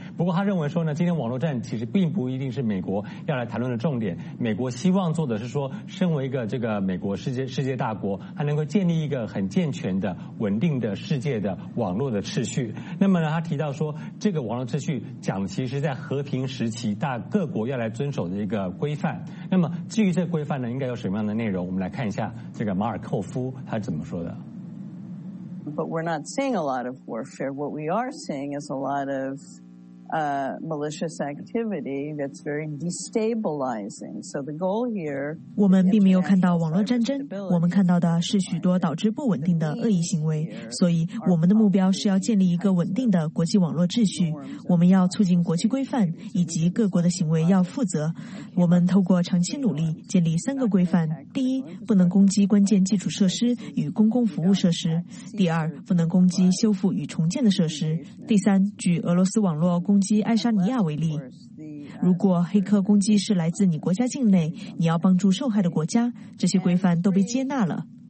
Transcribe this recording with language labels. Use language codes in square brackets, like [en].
[zh] 不过他认为说呢，今天网络战其实并不一定是美国要来谈论的重点，美国希望做的是说，身为一个这个美国世界大国，他能够建立一个很健全的稳定的世界的网络的秩序。那么呢，他提到说这个网络秩序讲的其实在和平时期大各国要来遵守的一个规范。那么至于这个规范呢应该有什么样的内容，我们来看一下这个马尔寇夫他怎么说的。 [en] But we're not seeing a lot of warfare. What we are seeing is a lot of malicious activity that's very destabilizing. So the goal here, [zh] 我们并没有看到网络战争，我们看到的是许多导致不稳定的恶意行为。所以我们的目标是要建立一个稳定的国际网络秩序。我们要促进国际规范以及各国的行为要负责。我们透过长期努力建立三个规范：第一，不能攻击关键基础设施与公共服务设施；第二，不能攻击修复与重建的设施；第三，据俄罗斯网络攻击爱沙尼亚为例，如果黑客攻击是来自你国家境内，你要帮助受害的国家，这些规范都被接纳了。